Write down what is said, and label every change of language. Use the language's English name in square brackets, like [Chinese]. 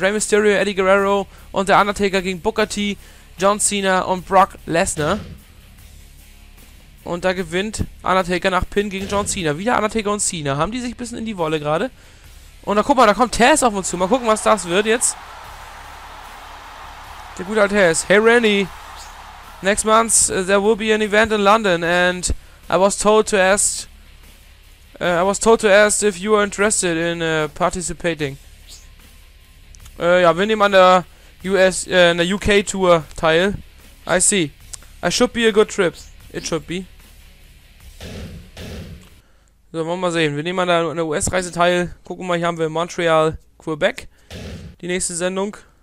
[German] Rey Mysterio, Eddie Guerrero und der Undertaker gegen Booker T, John Cena und Brock Lesnar. Und da gewinnt Undertaker nach Pin gegen John Cena. Wieder Undertaker und Cena. Haben die sich ein bisschen in die Wolle gerade? Und da guck mal, da kommt Taz auf uns zu. Mal gucken, was das wird jetzt. Der gute alte Taz. Hey Randy. [English] Next month there will be an event in London and I was told to ask if you are interested in participating. [German] Ja, wir nehmen an der UK Tour teil. [English] I see. I should be a good trip. It should be. [German] So, wollen wir mal sehen. Wir nehmen an der US-Reise teil. Gucken mal, hier haben wir Montreal, Quebec. Die nächste Sendung.